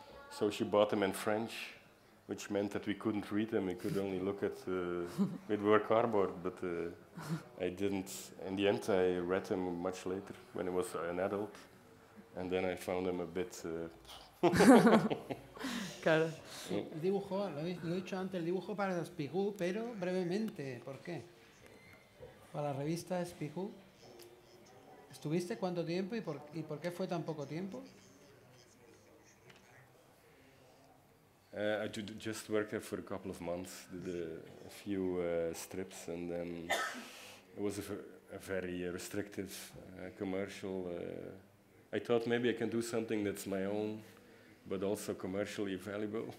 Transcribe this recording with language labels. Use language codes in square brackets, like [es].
[en] So she bought them in French, which meant that we couldn't read them. We could only look at, it were cardboard, but I didn't. In the end, I read them much later when I was an adult, and then I found them a bit. [es] Claro. El dibujo, lo he dicho antes, el dibujo para Espigú, pero brevemente, ¿por qué? Para la revista Espigú. ¿Estuviste cuánto tiempo y por qué fue tan poco tiempo? [en] I just worked there for a couple of months, did a few strips, and then it was a very restrictive commercial. I thought maybe I can do something that's my own, but also commercially valuable.